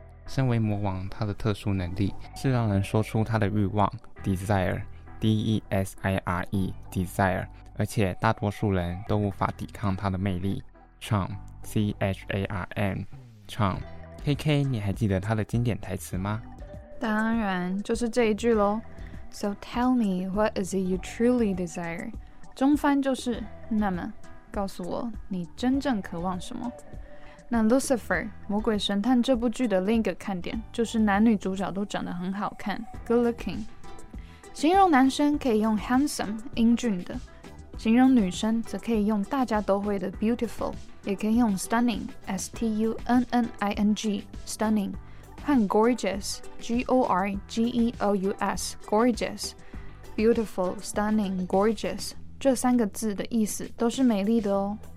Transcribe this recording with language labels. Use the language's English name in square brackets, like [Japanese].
[Chinese] 身为魔王他的特殊能力是让人说出他的欲望 desire D-E-S-I-R-E desire, 而且大多数人都无法抵抗他的魅力 charm C-H-A-R-M charm。 KK 你还记得他的经典台词吗？当然就是这一句咯。 [English] So tell me, what is it you truly desire? [Chinese] 中翻就是，那么告诉我你真正渴望什么。那 Lucifer 魔鬼神探这部剧的另一个看点就是男女主角都长得很好看， good looking。形容男生可以用 handsome 英俊的，形容女生则可以用大家都会的 beautiful, 也可以用 stunning S-T-U-N-N-I-N-G stunning和 gorgeous, G-O-R-G-E-O-U-S, gorgeous, beautiful, stunning, gorgeous, 这三个字的意思都是美丽的哦。